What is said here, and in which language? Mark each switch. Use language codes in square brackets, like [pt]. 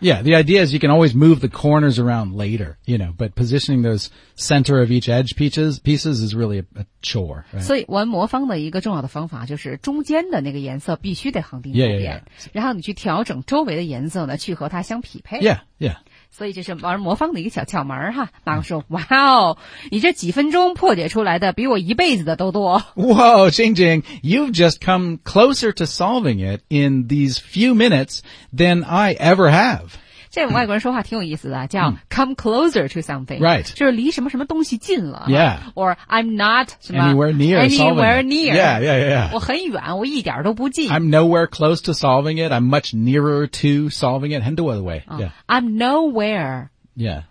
[en] Yeah, the idea is you can always move the corners around later, you know, but positioning those center of each edge pieces is really a chore.、Right? [zh] 所以玩魔方的一个重要的方法就是中间的那个颜色必须得恒定不变。 [en] Yeah, yeah, yeah. [zh] 然后你去调整周围的颜色呢去和它相匹配。 [en] Yeah, yeah. [zh] 所以这是玩魔方的一个小窍门哈。马克说、嗯、哇哦你这几分钟破解出来的比我一辈子的都多。 [en] 哇哦晶晶 ,you've just come closer to solving it in these few minutes than I ever have. [zh] 这种外国人说话挺有意思的叫、嗯、 [en] come closer to something. Right. [zh] 就是离什么什么东西近了。 [en] Yeah. Or I'm not [zh] 什么 [en] anywhere near. Anywhere near. Yeah, yeah, yeah, yeah. [zh] 我很远我一点都不近。 [en] I'm nowhere close to solving it. I'm much nearer to solving it. And the other way.、 Oh. Yeah. I'm nowhere. Yeah.